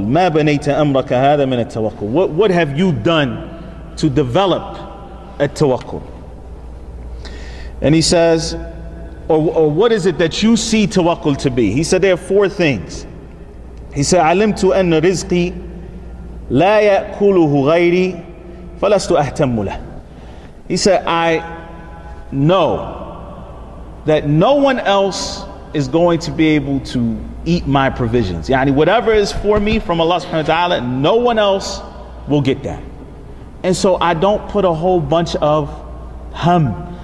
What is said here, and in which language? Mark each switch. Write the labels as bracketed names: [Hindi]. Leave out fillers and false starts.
[Arabic] ما بنيت أمرك هذا من التوكل. [English] What have you done to develop التوكل? And he says, or what is it that you see tawakkul to be? He said, there are four things. He said, [Arabic] عَلِمْتُ أَنَّ رِزْقِي لَا يَأْكُلُهُ غَيْرِي فَلَسْتُ أَهْتَمُّ لَهُ. [English] He said, I know that no one else is going to be able to eat my provisions. Yani whatever is for me from Allah subhanahu wa ta'ala, no one else will get that. And so I don't put a whole bunch of hum.